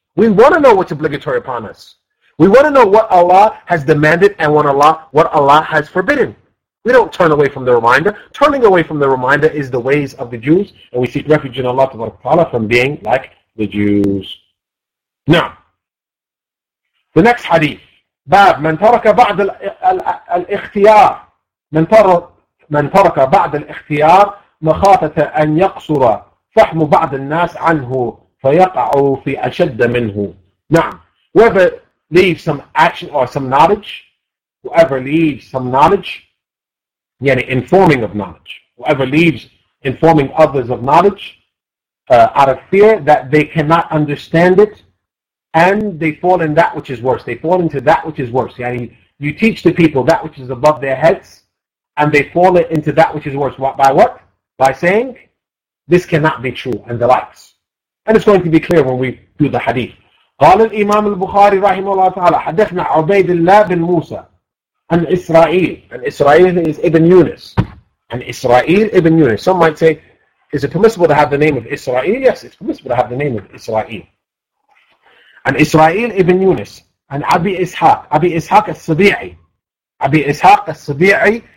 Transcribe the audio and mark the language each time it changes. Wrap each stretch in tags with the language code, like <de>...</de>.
<en>We want to know what's obligatory upon us. We want to know what Allah has demanded and what Allah has forbidden. We don't turn away from the reminder. Turning away from the reminder is the ways of the Jews, and we seek refuge in Allah Ta'ala from being like the Jews. Now, the next hadith.</en> <ar>باب من ترك بعض الاختيار من ترك بعض الاختيار مخافة أن يقصر فحم بعض الناس عنه فيقع في أشد منه. نعم.</ar> <en>Whoever leaves some action or some knowledge, whoever leaves some knowledge, yani informing of knowledge, whoever leaves informing others of knowledge out of fear that they cannot understand it, and they fall in that which is worse. They fall into that which is worse. Yani you teach the people that which is above their heads, and they fall into that which is worse. What, by what? By saying, this cannot be true, and the likes. And it's going to be clear when we do the hadith.</en> <ar>قال الإمام البخاري رحمه الله تعالى حدثنا عبيد الله بن موسى عن إسرائيل.</ar> <en>And إسرائيل is Ibn Yunus. And إسرائيل Ibn Yunus. Some might say, is it permissible to have the name of Israel? Yes, it's permissible to have the name of Israel.</en> <ar>عن إسرائيل Ibn Yunus. عن أبي إسحاق. أبي إسحاق الصبيعي. أبي إسحاق الصبيعي.</ar>